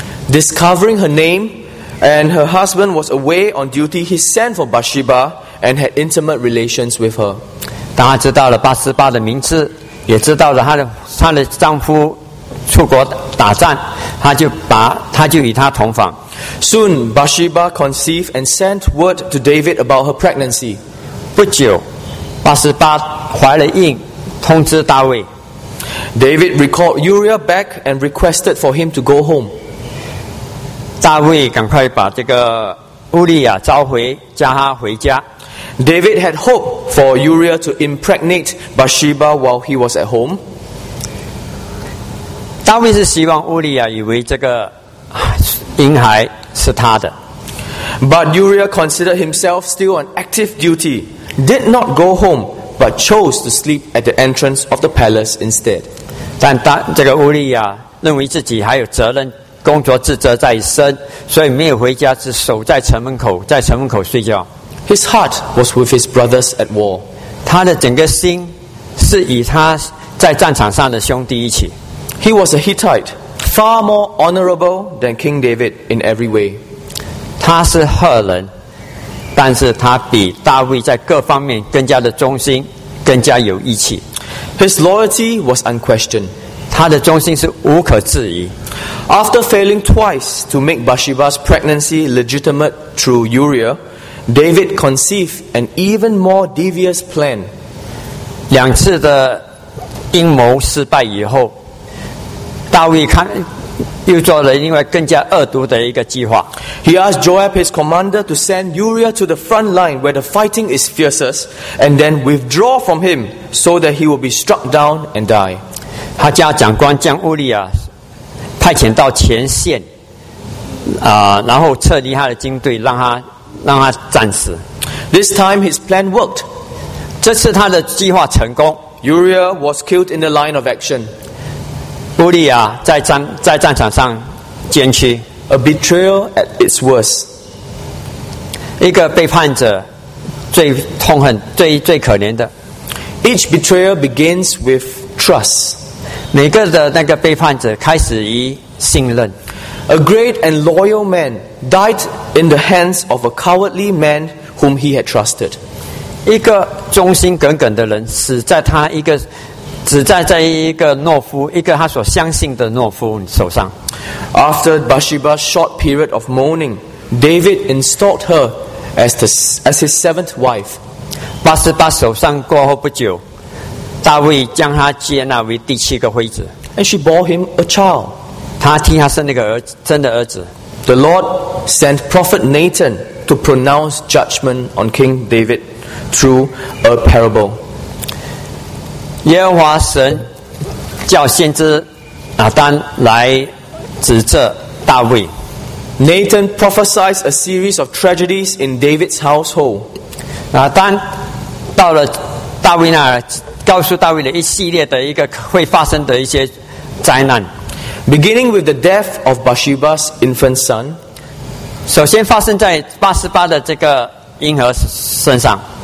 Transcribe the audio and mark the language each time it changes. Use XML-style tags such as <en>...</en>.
<en>Discovering her name and her husband was away on duty, he sent for Bathsheba and had intimate relations with her.</en> <zh>当他知道了巴示巴的名字，也知道了她的丈夫出国打仗，他就与她同房。</zh> <en>Soon, Bathsheba conceived and sent word to David about her pregnancy.</en> <zh>不久，巴示巴怀了孕，通知大卫。</zh> <en>David recalled Uriah back and requested for him to go home.</en> <zh>大卫赶快把这个乌利亚召回，叫他回家。</zh> <en>David had hoped for Uriah to impregnate Bathsheba while he was at home.</en> <zh>大卫是希望乌利亚以为这个婴孩是他的。</zh> <en>But Uriah considered himself still on active duty, did not go home, but chose to sleep at the entrance of the palace instead.</en> <zh>但这个乌利亚认为自己还有责任，工作职责在身，所以没有回家，只守在城门口，在城门口睡觉。</zh> <en>His heart was with his brothers at war.</en> <zh>他的整个心是与他在战场上的兄弟一起。</zh> <en>He was a Hittite, far more honorable than King David in every way.</en> <zh>他是赫人，但是他比大卫在各方面更加的忠心，更加有义气。</zh> <en>His loyalty was unquestioned.</en> <zh>他的忠心是无可置疑。</zh> <en>After failing twice to make Bathsheba's pregnancy legitimate through Uriah,David conceived an even more devious plan.</en> <zh>两次的阴谋失败以后，大卫看又做了另外更加恶毒的一个计划。</zh> <en>He asked Joab, his commander, to send Uriah to the front line where the fighting is fiercest, and then withdraw from him so that he will be struck down and die.</en> <zh>他叫长官将乌利亚派遣到前线，然后撤离他的军队，让他战死。</zh> <en>This time his plan worked.</en> <zh>这次他的计划成功。</zh> <en>Uriah was killed in the line of action.</en> <zh>乌利亚在战场上捐躯。</zh> <en>A betrayal at its worst.</en> <zh>一个背叛者最痛恨、最可怜的。</zh> <en>Each betrayal begins with trust.</en> <zh>每个的那个背叛者开始于信任。</zh> <en>A great and loyal man died in the hands of a cowardly man whom he had trusted.</en> <zh>一个忠心耿耿的人死在他一个只在一个懦夫一个他所相信的懦夫手上。</zh> <en>After Bathsheba's short period of mourning, David installed her as his seventh wife.</en> <zh>八十八守上过后不久，大卫将她接纳为第七个妃子。</zh> <en>And she bore him a child.</en> <zh>她替他生了一个儿子，真的儿子。</zh> <en>The Lord sent Prophet Nathan to pronounce judgment on King David through a parable.</en> <zh>耶和华神叫先知拿单来指责大卫。</zh> <en>Nathan prophesied a series of tragedies in David's household.</en> <zh>拿单到了大卫那儿，告诉大卫了一系列的一个会发生的一些灾难。</zh> <en>Beginning with the death of Bathsheba's infant son.</en> <zh>首先发生在八十八的这个婴儿身上。</zh>